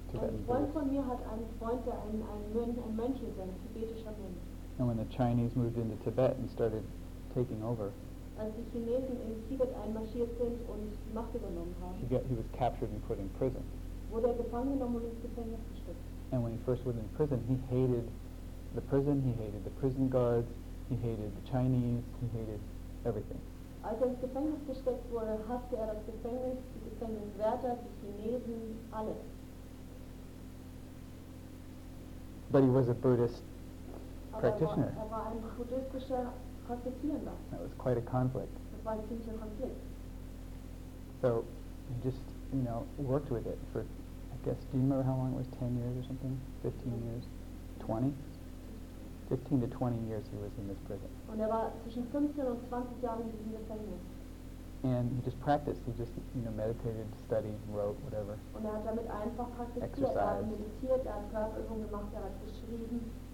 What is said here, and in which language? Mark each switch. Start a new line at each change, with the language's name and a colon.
German: Ein Freund von mir hat einen Freund, der ein Mönch ist, ein tibetischer Mönch.
English: And when the Chinese moved into Tibet and started taking over,
German: als die Chinesen in Tibet einmarschiert sind und Macht übernommen haben,
English: he was captured and put in prison.
German: Wurde er gefangen genommen und ins Gefängnis gesteckt.
English: And when he first was in prison, he hated the prison, he hated the prison guards, he hated the Chinese, he hated everything.
German: Als er ins Gefängnis gesteckt wurde, hasste er das Gefängnis, die Gefängniswärter, die Chinesen, alles.
English: But he was a Buddhist practitioner.
German: Aber er war ein buddhistischer Praktizierender.
English: That was quite a conflict.
German: Das war ein ziemlicher Konflikt.
English: So he just, you know, worked with it for, I guess, do you remember how long it was? 10 years or something? 15 years? 20? 15 to 20 years he was in this prison.
German: Und war zwischen 15 und 20 Jahren in diesem Gefängnis.
English: And he just practiced. He just, you know, meditated, studied, wrote, whatever.
German: Und hat damit einfach praktiziert.
English: Exercised.
German: Er hat meditiert, er hat Körperübungen gemacht, er hat geschrieben.